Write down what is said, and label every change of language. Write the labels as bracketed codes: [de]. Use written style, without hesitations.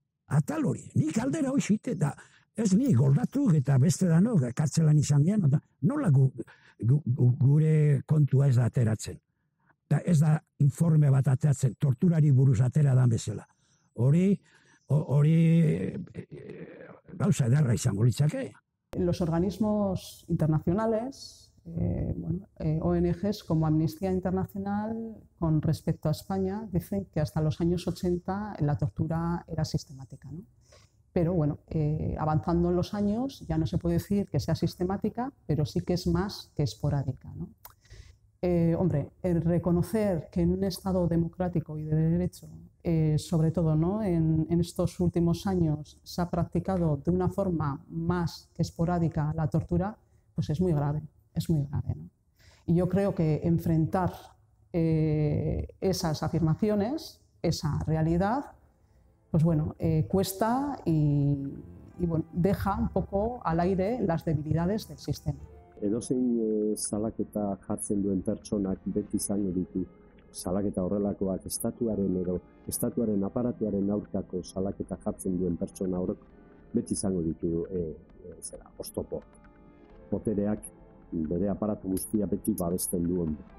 [eu] Atal hori, nik aldera hoxe ite, da, ez ni goldatu eta beste da no, kartzelan izan gian, nola gure kontua ez da ateratzen. Da ez da informe bat ateratzen, torturari buruz atera dan bezala. Hori, hori, gauza ederra izango litzake. [es] Los organismos internacionales, bueno, ONGs como Amnistía Internacional, con respecto a España, dicen que hasta los años 80 la tortura era sistemática, ¿no? Pero bueno, avanzando en los años ya no se puede decir que sea sistemática, pero sí que es más que esporádica, ¿no? Hombre, el reconocer que en un Estado democrático y de derecho, sobre todo, ¿no?, en estos últimos años se ha practicado de una forma más que esporádica la tortura, pues es muy grave, es muy grave, ¿no? Y yo creo que enfrentar esas afirmaciones, esa realidad, pues bueno, cuesta y bueno, deja un poco al aire las debilidades del sistema. [eu] Edozein salaketa jartzen duen pertsonak beti izango ditu salaketa horrelakoak estatuaren edo estatuaren aparatuaren aurkako salaketa jartzen duen pertsona horrek beti izango ditu zera oztopo. Potereak bere aparatu guztia beti babesten duen.